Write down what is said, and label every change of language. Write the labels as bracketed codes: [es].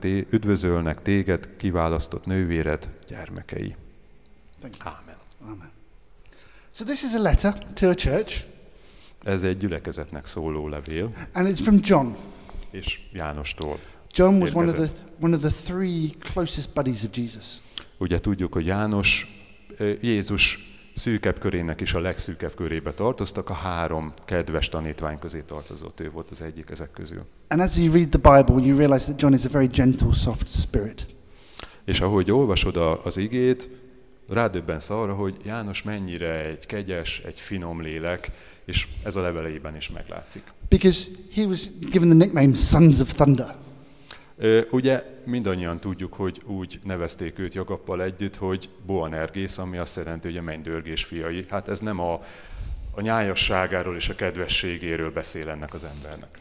[hu] Üdvözölnek téged, kiválasztott nővéred, gyermekei. Amen. Amen. [en] So this is a letter to a church. [hu] Ez egy gyülekezetnek szóló levél. [en] And it's from John. [hu] És Jánostól. [en] John was one of the three closest buddies of Jesus. [hu] Ugye tudjuk, hogy János Jézus szűkebb körének is a legszűkebb körébe tartoztak, a három kedves tanítvány közé tartozott, ő volt az egyik ezek közül. [en] And as you read the Bible, you realize that John is a very gentle, soft spirit. [hu] És ahogy olvasod az igét, rádöbbensz arra, hogy János mennyire egy kegyes, egy finom lélek, és ez a leveleiben is meglátszik. [en] Because he was given the nickname Sons of Thunder. [hu] Ugye mindannyian tudjuk, hogy úgy nevezték őt Jakabbal együtt, hogy Boanergész, ami azt jelenti, hogy a mennydörgés fiai. Hát ez nem a nyájasságáról és a kedvességéről beszél ennek az embernek.